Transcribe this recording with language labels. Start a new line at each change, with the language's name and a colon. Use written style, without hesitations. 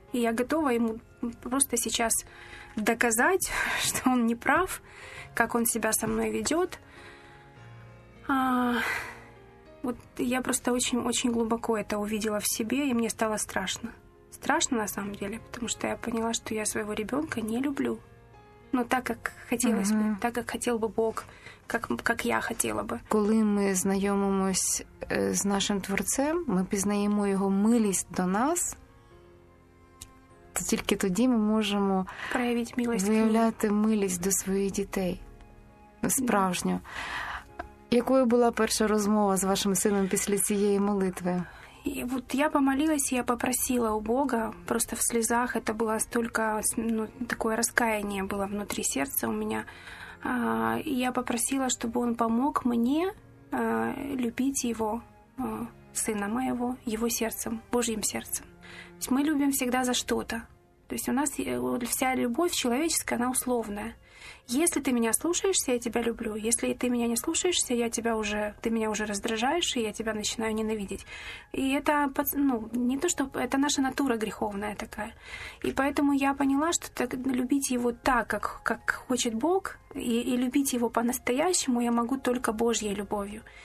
Russian: И я готова ему просто сейчас доказать, что он не прав, как он себя со мной ведет. Вот я просто очень-очень глубоко это увидела в себе, и мне стало страшно. Страшно на самом деле, потому что я поняла, что я своего ребенка не люблю.
Ukrainian: Ну, так, как хотілося б, mm-hmm. так, як хотів би Бог, як я хотіла би. Коли ми знайомимось з нашим Творцем, ми пізнаємо Його милість до нас, то тільки тоді ми можемо проявити милість, виявляти милість до своїх дітей. Справжню. Mm-hmm. Якою була перша розмова з вашим сином після цієї молитви? І от я помолилась, я попросила у Бога, просто
Russian: в слезах,
Ukrainian: це було стільки, ну, таке розкаяння було внутрі серця у мене. Я попросила, щоб він помог мені любити його, сина моєго, його серцем, Божим серцем. Ми любимо завжди за щось. Тобто у нас вся любов чоловіча, вона условна.
Russian: Если ты меня слушаешься, я тебя люблю. Если ты меня не слушаешься, ты меня уже раздражаешь, и я тебя начинаю ненавидеть. И это, ну, не то, что это наша натура греховная такая. И поэтому я поняла, что так, любить его так, как хочет Бог, и любить его по-настоящему я могу только Божьей любовью.